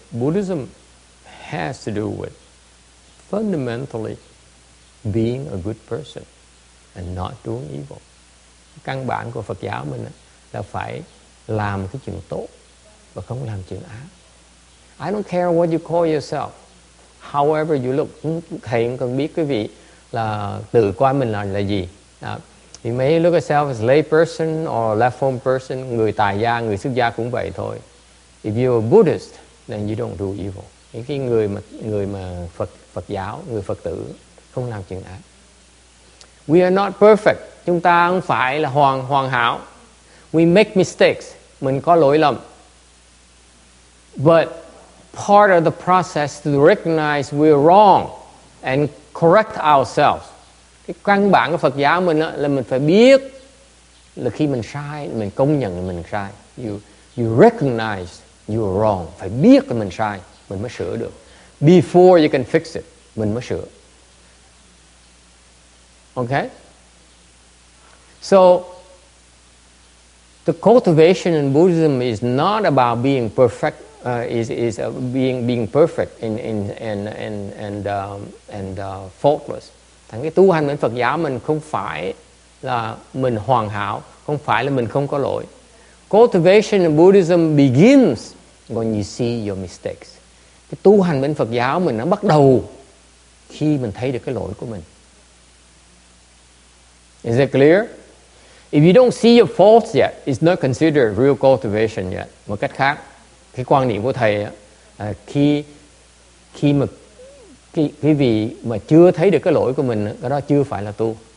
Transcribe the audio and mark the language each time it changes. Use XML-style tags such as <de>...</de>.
<en>Buddhism has to do with fundamentally being a good person and not doing evil.</en> <vi>Căn bản của Phật giáo mình là phải làm cái chuyện tốt và không làm chuyện ác.</vi> <en>I don't care what you call yourself, however you look.</en> <vi>Thầy cũng cần biết quý vị là tự coi mình là gì.</vi> <en>You may look at yourself as lay person or left home person,</en> <vi>người tài gia, người xuất gia cũng vậy thôi.</vi> <en>If you're a Buddhist, then you don't do evil.</en> <vi>Những cái người mà Phật giáo, người Phật tử không làm chuyện ác.</vi> <en>We are not perfect.</en> <vi>Chúng ta không phải là hoàn hảo.</vi> <en>We make mistakes.</en> <vi>Mình có lỗi lầm.</vi> <en>But part of the process to recognize we're wrong and correct ourselves.</en> <vi>Cái căn bản của Phật giáo mình là mình phải biết là khi mình sai, mình công nhận là mình sai.</vi> <en>You recognize you're wrong.</en> <vi>Phải biết là mình sai, mình mới sửa được.</vi> <en>Before you can fix it,</en> <vi>mình mới sửa.</vi> <en>Okay? So, the cultivation in Buddhism is not about being perfect. Being perfect and faultless.</en> <vi>Thành cái tu hành bên Phật giáo mình không phải là mình hoàn hảo, không phải là mình không có lỗi.</vi> <en>Cultivation in Buddhism begins when you see your mistakes.</en> <vi>Cái tu hành bên Phật giáo mình nó bắt đầu khi mình thấy được cái lỗi của mình.</vi> <en>Is it clear? If you don't see your faults yet, it's not considered real cultivation yet.</en> <vi>Một cách khác, cái quan niệm của thầy khi mà chưa thấy được cái lỗi của mình, cái đó chưa phải là tu.</vi>